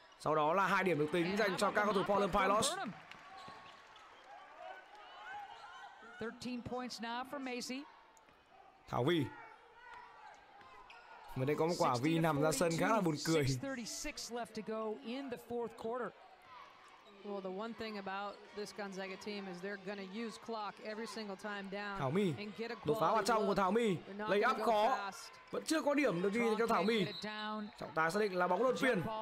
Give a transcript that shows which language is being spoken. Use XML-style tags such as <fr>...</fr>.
<vi>Sau đó là hai điểm được tính dành cho các cầu thủ Portland Pilots.</vi> <en>13 points now for Macy.</en> <vi>Thảo Vy. Mình đây có một quả Vy nằm ra sân khá là buồn cười.</vi> <en>36 left to go in the fourth quarter. Well, the one thing about this Gonzaga team is they're going to use clock every single time down.</en> <vi>Thảo My. Đột phá vào trong của Thảo My. Lay up khó. Vẫn chưa có điểm được ghi cho Thảo My. Trọng tài xác định là bóng luân chuyển.</vi>